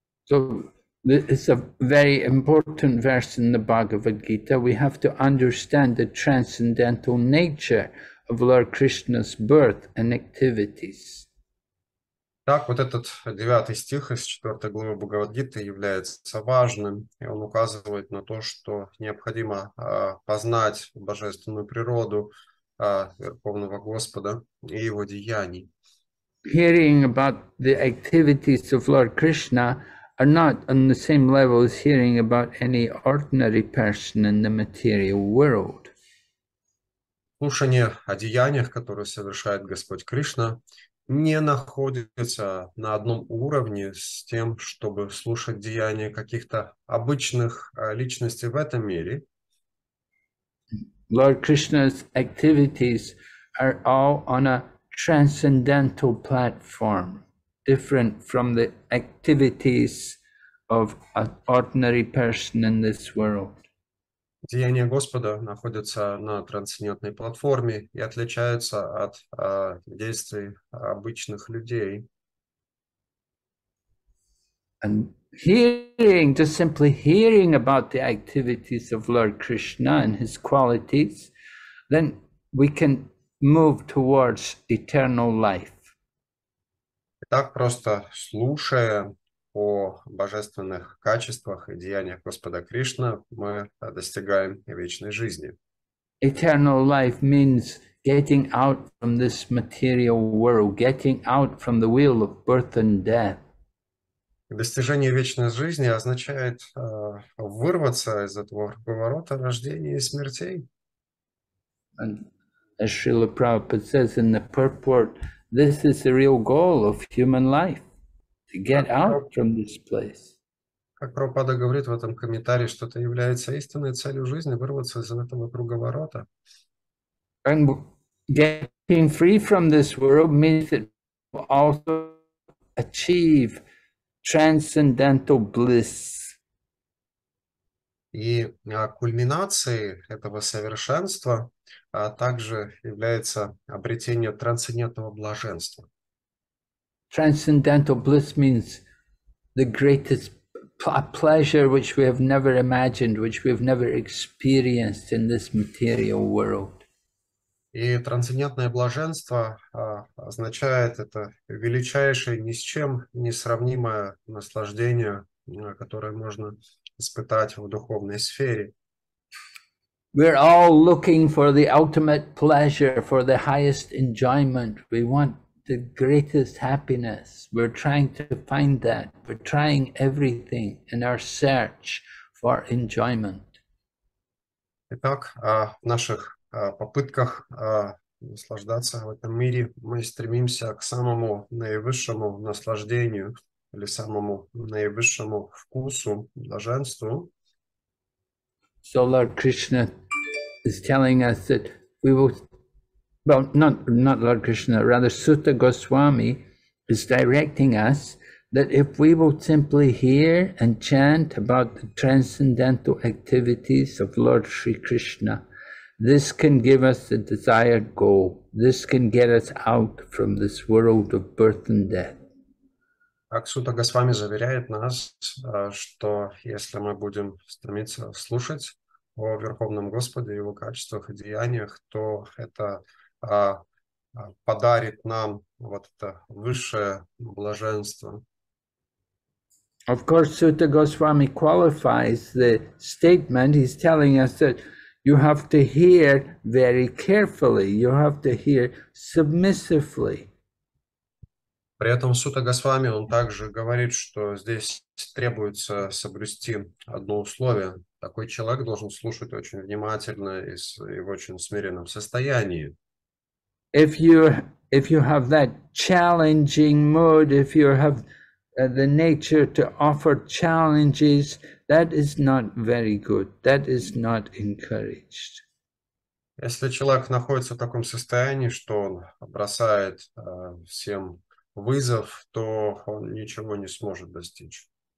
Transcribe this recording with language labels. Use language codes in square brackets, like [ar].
[en] So, it's a very important verse in the Bhagavad Gita. We have to understand the transcendental nature of Lord Krishna's birth and activities. [ru] Так, вот этот девятый стих из четвертой главы Бхагавад-гиты является важным, и он указывает на то, что необходимо познать божественную природу Верховного Господа и его деяний. [en] Hearing about the activities of Lord Krishna are not on the same level as hearing about any ordinary person in the material world. [ru] Слушание о деяниях, которые совершает Господь Кришна, не находится на одном уровне с тем, чтобы слушать деяния каких-то обычных личностей в этом мире. [en] Lord Krishna's activities are all on a transcendental platform, different from the activities of an ordinary person in this world. [ru] Деяния Господа находятся на трансцендентной платформе и отличаются от действий обычных людей. [en] And hearing, just simply hearing about the activities of Lord Krishna and his qualities, then we can move towards eternal life. [ru] Так просто слушая о божественных качествах и деяниях Господа Кришны, мы достигаем вечной жизни. [en] Eternal life means getting out from this material world, getting out from the wheel of birth and death. [ru] Достижение вечной жизни означает вырваться из этого круговорота рождения и смертей. [en] And as Srila Prabhupada says in the purport, this is the real goal of human life. To get out from this place. [ru] Как Прабхупада говорит в этом комментарии, что это является истинной целью жизни, вырваться из этого круговорота. [en] And getting free from this world means that we also achieve transcendental bliss. [ru] И кульминацией этого совершенства также является обретение трансцендентного блаженства. [en] Transcendental bliss means the greatest pleasure which we have never imagined, which we have never experienced in this material world. [ru] И трансцендентное блаженство означает это величайшее, ни с чем не сравнимое наслаждение, которое можно испытать в духовной сфере. [en] We're all looking for the ultimate pleasure, for the highest enjoyment we want. The greatest happiness. We're trying to find that. We're trying everything in our search for enjoyment. [ru] Итак, в наших попытках наслаждаться в этом мире мы стремимся к самому наивысшему наслаждению или самому наивысшему вкусу, блаженству. [en] So Lord Krishna is telling us that we will. Well, not Lord Krishna, rather Sutta Goswami is directing us that if we will simply hear and chant about the transcendental activities of Lord Sri Krishna, this can give us the desired goal. This can get us out from this world of birth and death. [ru] Так Сутта Госвами заверяет нас, что если мы будем стремиться слушать о Верховном Господе, его качествах и деяниях, то это подарит нам вот это высшее блаженство. [en] Of course, Sutta Goswami qualifies the statement. He's telling us that you have to hear very carefully, you have to hear submissively. [ru] При этом Сутта Госвами, он также говорит, что здесь требуется соблюсти одно условие. Такой человек должен слушать очень внимательно и в очень смиренном состоянии. [en] If you have that challenging mood, if you have the nature to offer challenges, that is not very good. That is not encouraged. [ru] Если человек находится в таком состоянии, что он бросает всем вызов, то он ничего не сможет достичь.